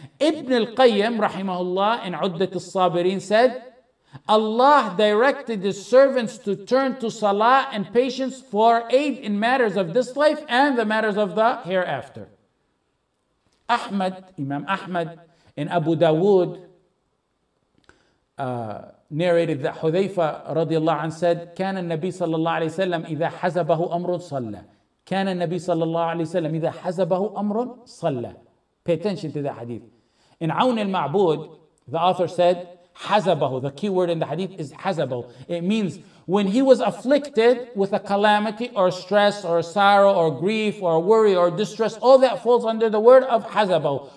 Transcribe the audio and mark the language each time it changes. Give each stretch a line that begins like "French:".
English: Ibn Al-Qayyim, rahimahullah, in Uddat Al-Sabirin said, Allah directed His servants to turn to salah and patience for aid in matters of this life and the matters of the hereafter. Ahmad, Imam Ahmad, in Abu Dawood, narrated that Hudhayfa radiallahu anhu said,
Arabic: كان النبي صلى الله عليه وسلم إذا حزبه أمر صلى. كان النبي صلى الله عليه وسلم إذا حزبه أمر صلى.
English: Pay attention to that hadith. In Aun al-Ma'bud, the author said, حزبه. The key word in the hadith is حزبه. It means when he was afflicted with a calamity or stress or sorrow or grief or worry or distress, all that falls under the word of حزبه.